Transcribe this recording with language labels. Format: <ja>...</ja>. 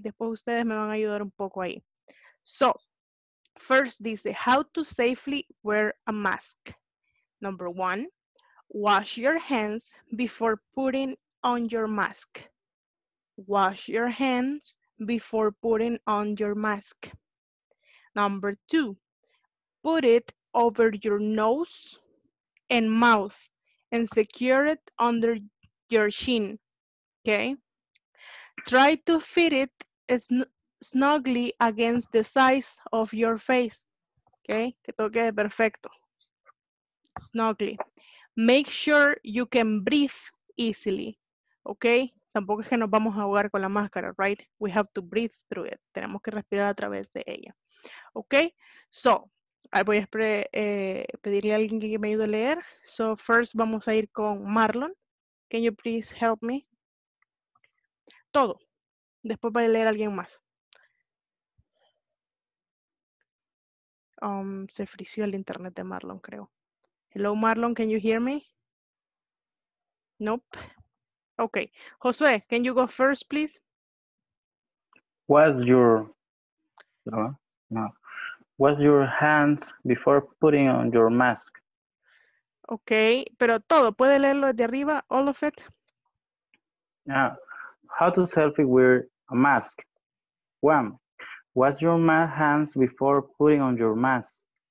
<es>Después ustedes me van a ayudar un poco ahí.</es> <en>So first dice how to safely wear a mask. Number one, wash your hands before putting on your mask. Wash your hands before putting on your mask. Number two, put it over your nose and mouth and secure it under your chin. Okay. Try to fit it snugly against the size of your face. Okay.</en> <es>Que toque perfecto.</es> <en>Snugly. Make sure you can breathe easily. Okay.</en> <es>tampoco es que nos vamos a ahogar con la máscara, right?</es> <en>We have to breathe through it.</en> <es>Tenemos que respirar a través de ella. Okay? So, voy a pedirle a alguien que me ayude a leer.</es> <en>So, first</en> <es>vamos a ir con Marlon.</es> <en>Can you please help me? Todo.</en> <es>Después va a leer a alguien más. Se frició el internet de Marlon, creo.</es> <en>Hello, Marlon, can you hear me? Nope. Okay. Josué, can you go first, please? Wash your hands before putting on your mask.</en> <es>Okay, pero todo, ¿puede leerlo desde arriba,</es> <en>all of it? Yeah. How to selfie wear a mask. One, wash your hands before putting on your mask.</en>